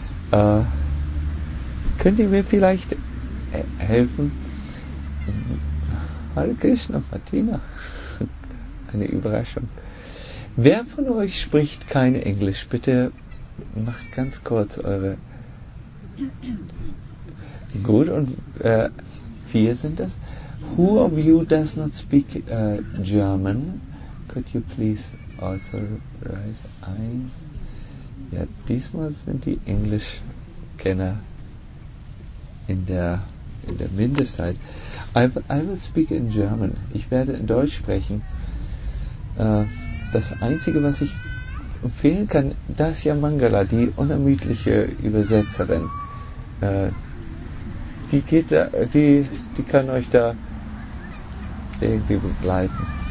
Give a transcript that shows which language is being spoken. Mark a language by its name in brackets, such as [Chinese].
[German] Könnt ihr mir vielleicht helfen, Hare Krishna, Martina, eine Überraschung. Wer von euch spricht kein Englisch? Bitte macht ganz kurz eure... Gut, und vier sind das. [English] Who of you does not speak German? Could you please also raise [German] eins? Ja, diesmal sind die Englischkenner in der Minderzeit. [English] I will speak in German. [German] Ich werde in Deutsch sprechen. Das Einzige, was ich empfehlen kann, Dasya Mangala, die unermüdliche Übersetzerin, die geht da, die kann euch da irgendwie begleiten.